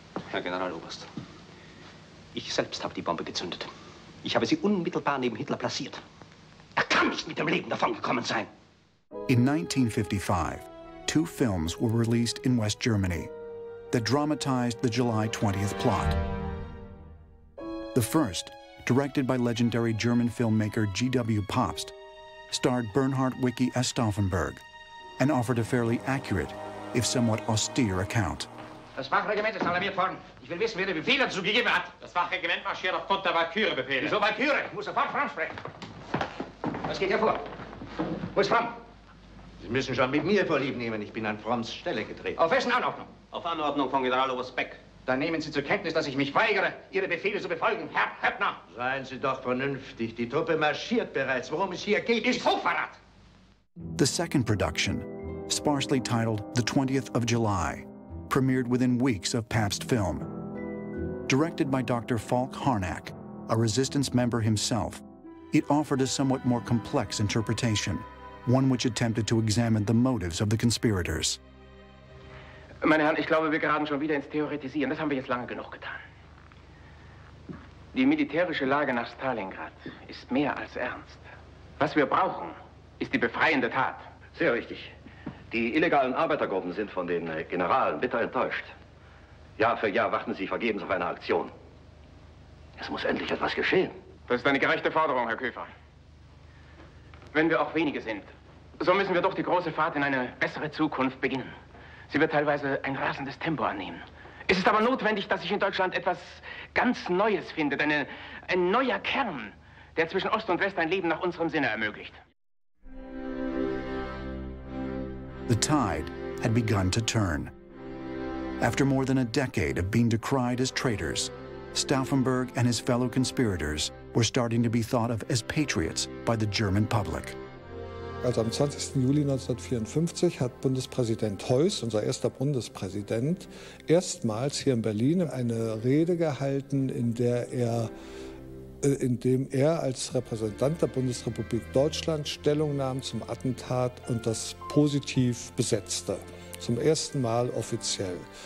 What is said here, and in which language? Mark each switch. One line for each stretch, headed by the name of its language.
German: Herr Generaloberst, ich selbst habe die Bombe gezündet. Ich habe sie unmittelbar neben Hitler platziert. Er kann nicht mit dem Leben davongekommen sein.
English: In 1955, two films were released in West Germany that dramatized the July 20th plot. The first, directed by legendary German filmmaker G.W. Pabst, starred Bernhard Wicki as Stauffenberg, and offered a fairly accurate, if somewhat austere, account.
German: Das Wachregiment ist alarmiert worden. Ich will wissen, wer den Befehl dazu gegeben hat. Das Wachregiment marschiert aufgrund der Valkyrie-Befehle. Wieso Valkyrie? Ich muss sofort voransprechen. Was geht hier vor? Wo ist Fromm? Sie müssen schon mit mir vorlieb nehmen. Ich bin an Fromms Stelle getreten. Auf wessen Anordnung? Auf Anordnung von Generaloberst Beck. Dann nehmen Sie zur Kenntnis, dass ich mich weigere, Ihre Befehle zu befolgen, Herr Höppner. Seien Sie doch vernünftig. Die Truppe marschiert bereits. Worum es hier geht, ist Hochverrat.
English: The second production, sparsely titled The 20th of July, premiered within weeks of Pabst film. Directed by Dr. Falk Harnack, a resistance member himself, it offered a somewhat more complex interpretation, one which attempted to examine the motives of the conspirators.
German: Meine Herren, ich glaube, wir geraten schon wieder ins Theoretisieren. Das haben wir jetzt lange genug getan. Die militärische Lage nach Stalingrad ist mehr als ernst. Was wir brauchen, ist die befreiende Tat. Sehr richtig. Die illegalen Arbeitergruppen sind von den Generalen bitter enttäuscht. Jahr für Jahr warten sie vergebens auf eine Aktion. Es muss endlich etwas geschehen. Das ist eine gerechte Forderung, Herr Köfer. Wenn wir auch wenige sind, so müssen wir doch die große Fahrt in eine bessere Zukunft beginnen. Sie wird teilweise ein rasendes Tempo annehmen. Es ist aber notwendig, dass sich in Deutschland etwas ganz Neues findet, ein neuer Kern, der zwischen Ost und West ein Leben nach unserem Sinne ermöglicht.
English: The tide had begun to turn. After more than a decade of being decried as traitors, Stauffenberg and his fellow conspirators were starting to be thought of as patriots by the German public.
German: Also am 20. Juli 1954 hat Bundespräsident Heuss, unser erster Bundespräsident, erstmals hier in Berlin eine Rede gehalten, in dem er als Repräsentant der Bundesrepublik Deutschland Stellung nahm zum Attentat und das positiv besetzte, zum ersten Mal offiziell.